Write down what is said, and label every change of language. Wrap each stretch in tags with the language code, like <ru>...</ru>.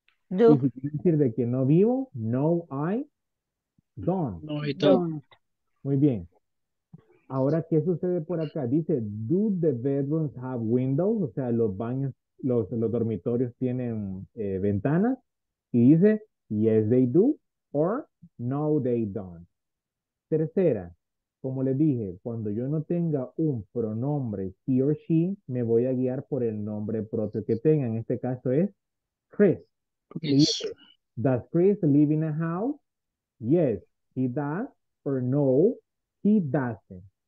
<en>Do.</en> <es>Y si quiere decir de que no vivo, no,</es> <en>I don't. No, I don't.</en> <es>Muy bien. Ahora, ¿qué sucede por acá? Dice,</es> <en>do the bedrooms have windows?</en> <es>O sea, los baños, los dormitorios tienen ventanas. Y dice,</es> <en>yes, they do, or no, they don't.</en> <es>Tercera, como les dije, cuando yo no tenga un pronombre,</es> <en>he or she,</en> <es>me voy a guiar por el nombre propio que tenga. En este caso es Chris. Chris. Dice,</es> <en>does Chris live in a house? Yes, he does, or no, he doesn't.</en>